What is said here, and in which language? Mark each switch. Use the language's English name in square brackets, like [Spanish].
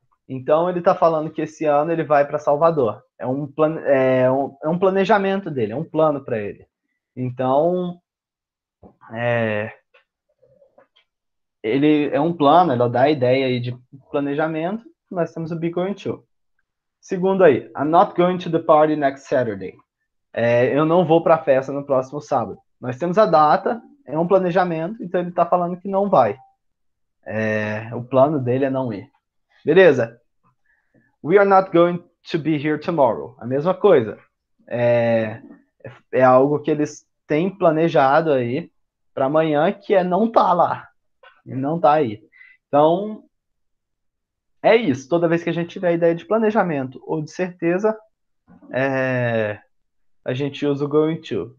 [Portuguese] Então, ele está falando que esse ano ele vai para Salvador. É um planejamento dele, é um plano para ele. Então, é um plano, ele dá a ideia aí de planejamento. Nós temos o be going to. Segundo aí, [English] I'm not going to the party next Saturday. [Portuguese] Eu não vou para a festa no próximo sábado. Nós temos a data, é um planejamento, então ele está falando que não vai. O plano dele é não ir. Beleza? [English] We are not going to be here tomorrow. [Portuguese] A mesma coisa. É algo que eles têm planejado aí para amanhã, que é não tá lá. Ele não tá aí. Então, é isso. Toda vez que a gente tiver a ideia de planejamento ou de certeza, a gente usa o going to.